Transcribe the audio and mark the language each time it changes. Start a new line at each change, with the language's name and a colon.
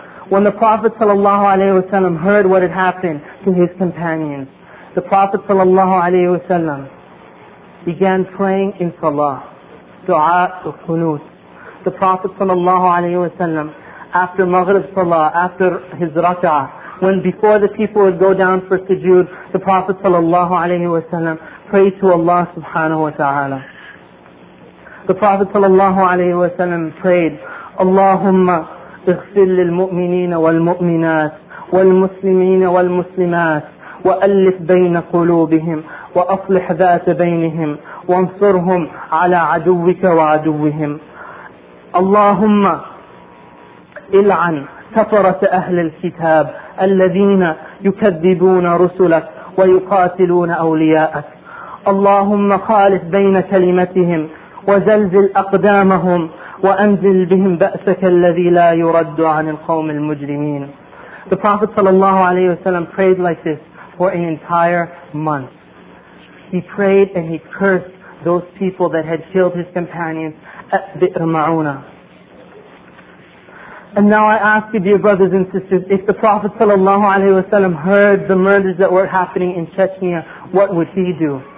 English: When the Prophet sallallahu alayhi wa sallam heard what had happened to his companions, the Prophet sallallahu alayhi wa sallam began praying in salah, dua to qunut. The Prophet sallallahu alayhi wa sallam, after maghrib salah, after his rak'ah, when before the people would go down for sujood, the Prophet sallallahu alayhi wa sallam prayed to Allah subhanahu wa ta'ala. The Prophet sallallahu alayhi wa sallam prayed,
Arabic: Allahumma اغفر للمؤمنين والمؤمنات والمسلمين والمسلمات وألف بين قلوبهم وأصلح ذات بينهم وانصرهم على عدوك وعدوهم. اللهم إلعن كفرة أهل الكتاب الذين يكذبون رسلك ويقاتلون أولياءك. اللهم خالف بين كلمتهم وزلزل أقدامهم وأنزل بهم بأسك الذي لا يرد عن القوم المجرمين.
English: The Prophet sallallahu alayhi wa sallam prayed like this for an entire month. He prayed and he cursed those people that had killed his companions at Bi'r Ma'una. And now I ask you, dear brothers and sisters, if the Prophet sallallahu alayhi wa sallam heard the murders that were happening in Chechnya, what would he do?